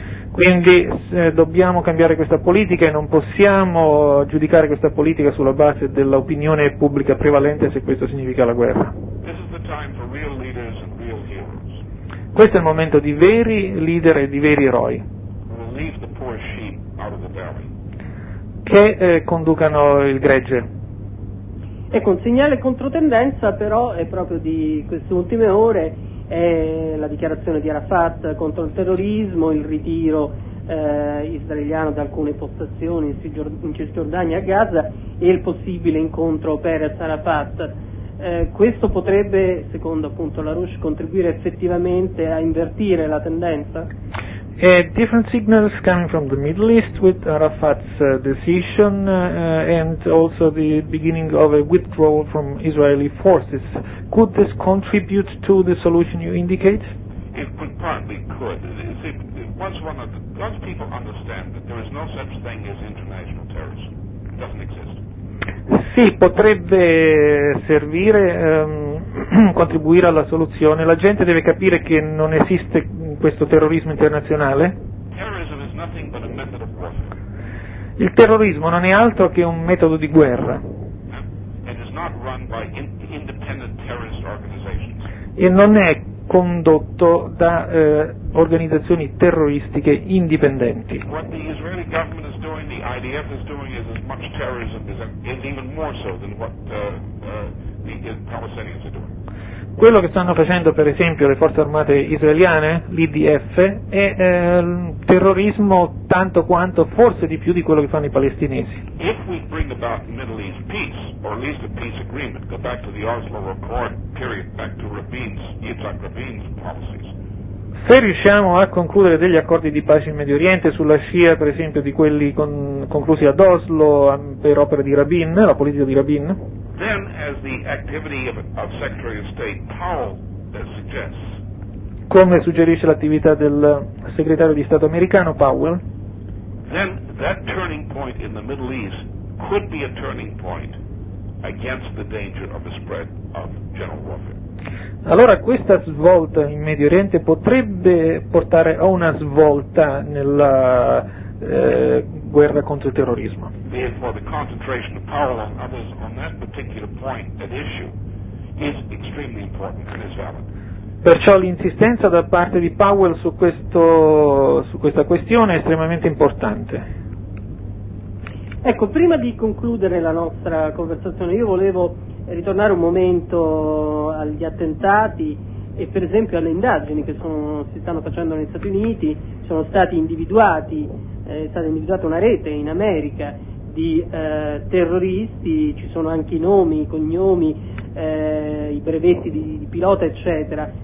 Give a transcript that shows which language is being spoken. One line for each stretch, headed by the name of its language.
Italian: Quindi dobbiamo cambiare questa politica e non possiamo giudicare questa politica sulla base dell'opinione pubblica prevalente se questo significa la guerra.
English: This is the time for real leaders and real heroes.
Italian: Questo è il momento di veri leader e di veri eroi.
English: We'll leave the poor sheep out of the valley.
Italian: Che conducano il gregge. Ecco, un segnale controtendenza però è proprio di queste ultime ore, è la dichiarazione di Arafat contro il terrorismo, il ritiro israeliano da alcune postazioni in Cisgiordania e a Gaza e il possibile incontro Peres-Arafat. Questo potrebbe, secondo appunto LaRouche, contribuire effettivamente a invertire la tendenza?
English: Different signals coming from the Middle East with Arafat's decision and also the beginning of a withdrawal from Israeli forces. Could this contribute to the solution you indicate? It could, partly could. Once people understand that there is no such thing as international terrorism, it doesn't exist.
Italian: Sì, potrebbe servire, contribuire alla soluzione. La gente deve capire che non esiste questo terrorismo internazionale.
English: Terrorism is nothing but a method of warfare.
Italian: Il terrorismo non è altro che un metodo di guerra.
English: It is not run by independent terrorist organizations.
Italian: E non è condotto da organizzazioni terroristiche indipendenti.
English: What the Israeli government is doing, the IDF is doing, is as much terrorism as even more so than what the Palestinians are doing.
Italian: Quello che stanno facendo, per esempio, le forze armate israeliane, l'IDF, è terrorismo tanto quanto, forse di più, di quello che fanno i palestinesi.
English: If we bring about Middle East peace, or at least a peace agreement, go back to the Oslo Accord period, back to Yitzhak Rabin's policies.
Italian: Se riusciamo a concludere degli accordi di pace in Medio Oriente sulla scia, per esempio, di quelli conclusi ad Oslo per opera di Rabin, la politica di Rabin,
English: then, as the activity of Secretary of State Powell suggests,
Italian: come suggerisce l'attività del segretario di Stato americano Powell,
English: then that turning point in the Middle East could be a turning point against the danger of the spread of general warfare.
Italian: Allora questa svolta in Medio Oriente potrebbe portare a una svolta nella guerra contro il terrorismo.
English: Therefore the concentration of power on others on that particular point at issue is extremely important and is valid.
Italian: Perciò l'insistenza da parte di Powell su questa questione è estremamente importante. Ecco, prima di concludere la nostra conversazione, io volevo ritornare un momento agli attentati e per esempio alle indagini che si stanno facendo negli Stati Uniti, sono stati individuati, è stata individuata una rete in America di terroristi, ci sono anche i nomi, i cognomi, i brevetti di pilota, eccetera.